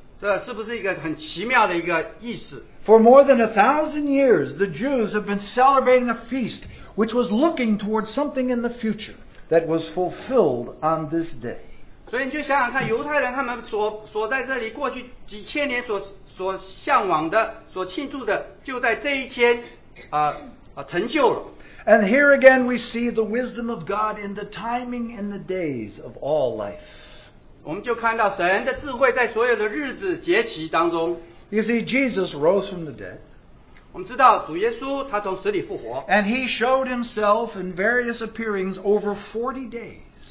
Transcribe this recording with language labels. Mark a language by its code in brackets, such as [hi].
[zh] 这是不是一个很奇妙的一个意思? [en] For more than 1,000 years, the Jews have been celebrating a feast which was looking towards something in the future that was fulfilled on this day. [zh] 所以你就想想看,犹太人他们所在这里过去几千年所向往的,所庆祝的,就在这一天成就了。 [en] And here again we see the wisdom of God in the timing and the days of all life. [zh] 我们就看到神的智慧在所有的日子节期当中。 [en] You see, Jesus rose from the dead. [zh] 我们知道主耶稣他从死里复活。 [en] And he showed himself in various appearings over 40 days.